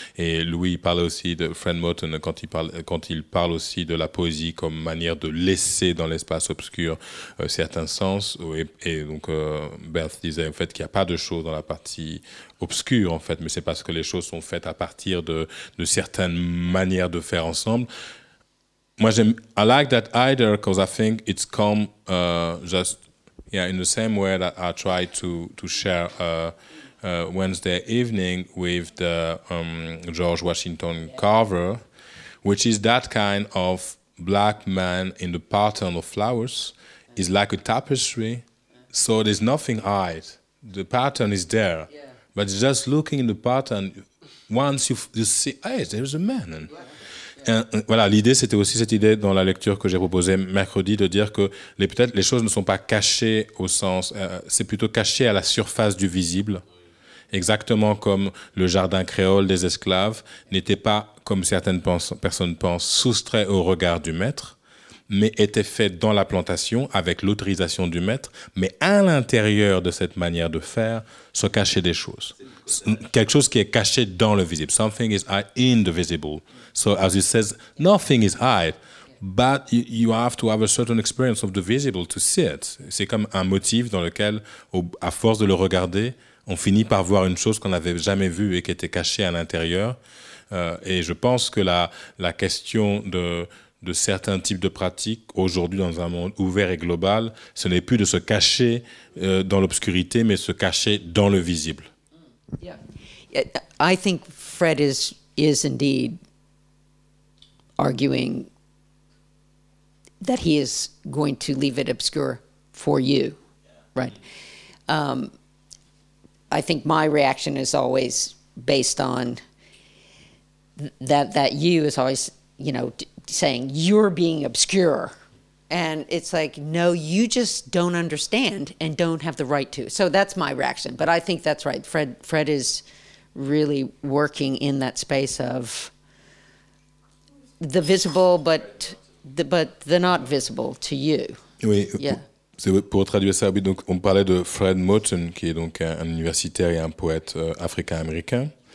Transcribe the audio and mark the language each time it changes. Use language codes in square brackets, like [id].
[fr] Et Louis parle aussi de Fred Moten quand il parle aussi de la poésie comme manière de laisser dans l'espace obscur certains sens. Et donc Berthe disait en fait qu'il n'y a pas de choses dans la partie obscure, en fait, mais c'est parce que les choses sont faites à partir de certaines manières de faire ensemble. [en] Moi, I like that either because I think it's come just... Yeah, in the same way that I try to share Wednesday evening with the George Washington Carver, which is that kind of black man in the pattern of flowers, is like a tapestry, so there's nothing hide. The pattern is there, But just looking in the pattern, once you see, hey, there's a man. Yeah. [fr] Voilà, l'idée, c'était aussi cette idée dans la lecture que j'ai proposée mercredi, de dire que peut-être les choses ne sont pas cachées au sens, c'est plutôt caché à la surface du visible, exactement comme le jardin créole des esclaves n'était pas, comme certaines personnes pensent, soustrait au regard du maître, mais était fait dans la plantation avec l'autorisation du maître, mais à l'intérieur de cette manière de faire se cachaient des choses. Quelque chose qui est caché dans le visible. [en] Something is in the visible. So as it says, nothing is hide, but you have to have a certain experience of the visible to see it. [fr] C'est comme un motif dans lequel, à force de le regarder, on finit par voir une chose qu'on n'avait jamais vue et qui était cachée à l'intérieur. Et je pense que la question de certains types de pratiques, aujourd'hui dans un monde ouvert et global, ce n'est plus de se cacher dans l'obscurité, mais se cacher dans le visible. [en] Yeah, I think Fred is indeed arguing that he is going to leave it obscure for you, yeah. Right? I think my reaction is always based on that you is always, you know, saying you're being obscure, and it's like, no, you just don't understand and don't have the right to. So that's my reaction, but I think that's right. Fred is really working in that space of the visible, but the not visible to you. [fr] Oui, yeah. C'est pour traduire ça, oui, donc on parlait de Fred Moten, qui est donc un universitaire et un poète africain-américain.